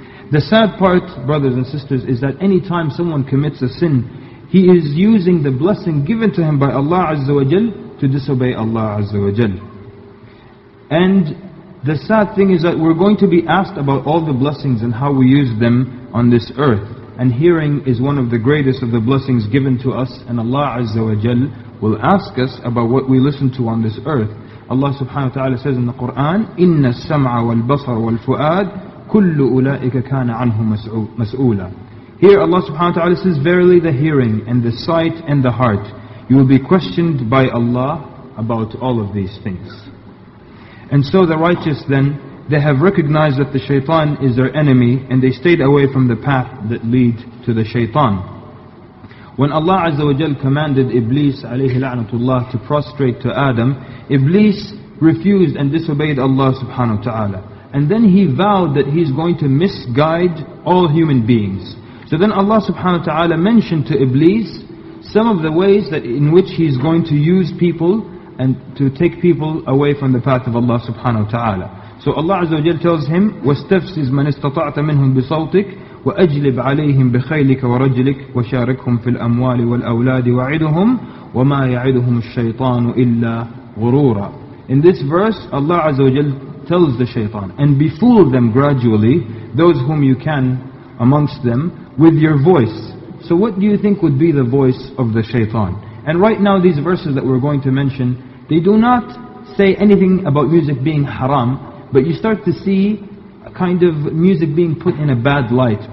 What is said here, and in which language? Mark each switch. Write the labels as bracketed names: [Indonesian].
[English] The sad part, brothers and sisters, is that any time someone commits a sin, he is using the blessing given to him by Allah Azza wa Jal to disobey Allah Azza wa Jal. And the sad thing is that we're going to be asked about all the blessings and how we use them on this earth. And hearing is one of the greatest of the blessings given to us. And Allah Azza wa Jal will ask us about what we listen to on this earth. Allah subhanahu wa ta'ala says in the Qur'an, [Arabic] إِنَّ السَّمْعَ وَالْبَصَرَ وَالْفُؤَادِ كُلُّ أُولَٰئِكَ كَانَ عَنْهُ مَسْئُولًا. [English] Here Allah subhanahu wa ta'ala says, verily the hearing and the sight and the heart, you will be questioned by Allah about all of these things. And so the righteous then, they have recognized that the shaitan is their enemy and they stayed away from the path that leads to the shaitan. When Allah Azza wa Jal commanded Iblis alayhi la'natullah to prostrate to Adam, Iblis refused and disobeyed Allah subhanahu wa ta'ala. And then he vowed that he's going to misguide all human beings. So then Allah subhanahu wa ta'ala mentioned to Iblis some of the ways that in which he's going to use people and to take people away from the path of Allah subhanahu wa ta'ala. So Allah Azza wa Jal tells him, [Arabic] وَاسْتَفْسِزْ مَنِ اسْتَطَعْتَ مِنْهُمْ بِصَوْتِكَ وَأَجْلِبْ عَلَيْهِمْ بِخَيْلِكَ وَرَجْلِكَ وَشَارِكْهُمْ فِي الْأَمْوَالِ وَالْأَوْلَادِ وَعِدُهُمْ وَمَا يَعِدُهُمُ الشَّيْطَانُ إِلَّا غُرُورًا. [English] In this verse, Allah Azza wa Jal tells the shaitan, and befool them gradually, those whom you can amongst them, with your voice. So what do you think would be the voice of the shaitan? And right now these verses that we're going to mention, they do not say anything about music being haram, but you start to see a kind of music being put in a bad light.